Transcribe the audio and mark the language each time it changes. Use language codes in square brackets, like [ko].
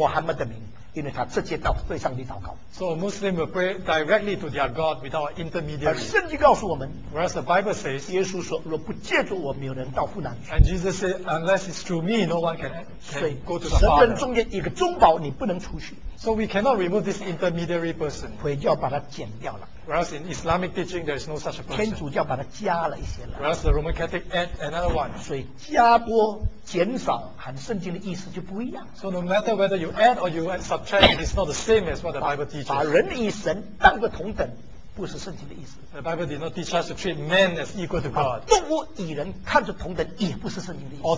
[zh] 没有奉耶稣的名，也不需要奉穆罕默德的名，因为他直接到对上帝祷告。 [en] So a Muslim will pray directly to their God without an intermediary. [zh] 而圣经告诉我们， [en] Whereas the Bible says, [zh] 耶稣说，若不借着我，没有人到父那里去。 [en] And Jesus said, unless it's through me, no one can go to the Father. [zh] 神人中间一个中保，你不能出去。 [en] So we cannot remove this intermediary person. [zh] 回教把它剪掉了。 [en] Whereas in Islamic teaching, there is no such a person. [zh] 天主教把它加了一些了。 [en] Whereas the Roman Catholic add another one. [zh] 所以加多减少和圣经的意思就不一样。 [en] So no matter whether you add or you subtract, it is not the same as what the Bible teaches. [zh] 把人与神当个同等，不是圣经的意思。 [en] The Bible did not teach us to treat men as equal to God. [zh] 动物与人看着同等，也不是圣经的意思。 [en] Or